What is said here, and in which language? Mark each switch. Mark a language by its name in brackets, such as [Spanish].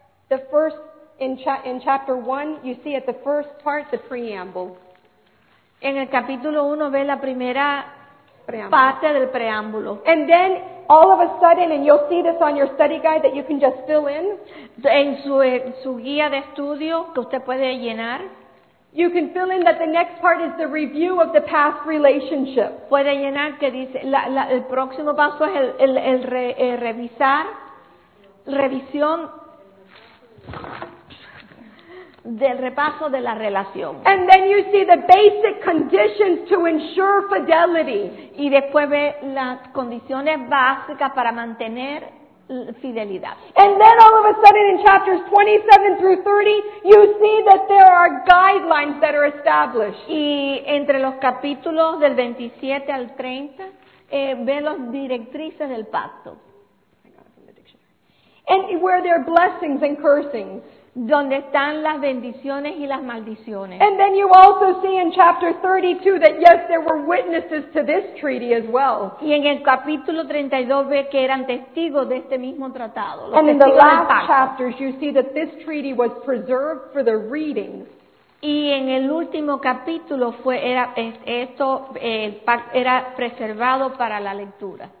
[English] The first, in chapter 1, you see at the first part, the preamble. [Spanish] En el capítulo 1 ve la primera preámbulo. Parte del preámbulo. [English] And then, all of a sudden, and you'll see this on your study guide that you can just fill in. [Spanish] En su guía de estudio que usted puede llenar. [English] You can fill in that the next part is the review of the past relationship. [Spanish] Puede llenar que dice el próximo paso es el revisar, revisión, del repaso de la relación. [English] And then you see the basic conditions to ensure fidelity. [Spanish] Y después ve las condiciones básicas para mantener fidelidad. [English] And then all of a sudden in chapters 27 through 30, you see that there are guidelines that are established. [Spanish] Y entre los capítulos del 27 al 30, ve las directrices del pacto. [English] And where there are blessings and cursings. [Spanish] Donde están las bendiciones y las maldiciones. [English] And then you also see in chapter 32 that yes, there were witnesses to this treaty as well. [Spanish] Y en el capítulo 32 ve que eran testigos de este mismo tratado. [English] And in the last chapters you see that this treaty was preserved for the reading. [Spanish] Y en el último capítulo fue era preservado para la lectura.